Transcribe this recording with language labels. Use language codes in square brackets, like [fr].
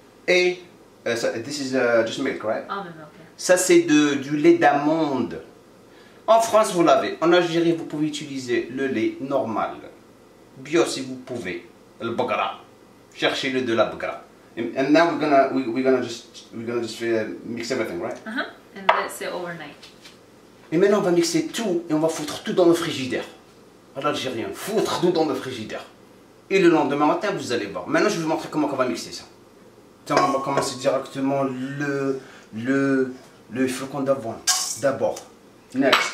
[en] Et, this is just milk, right? Almond milk. Yeah. [fr] Ça, c'est du lait d'amande. En France, vous l'avez. En Algérie, vous pouvez utiliser le lait normal. Bio, si vous pouvez. Le bagra. Cherchez-le de la bagra. [en] And now we're gonna just mix everything, right? Uh-huh. And let's sit overnight. [fr] Et maintenant, on va mixer tout et on va foutre tout dans le frigidaire. En Algérien, foutre tout dans le frigidaire. Et le lendemain matin, vous allez voir. Maintenant, je vais vous montrer comment on va mixer ça. Tiens, on va commencer directement le flocon d'avoine. D'abord. [en] Next.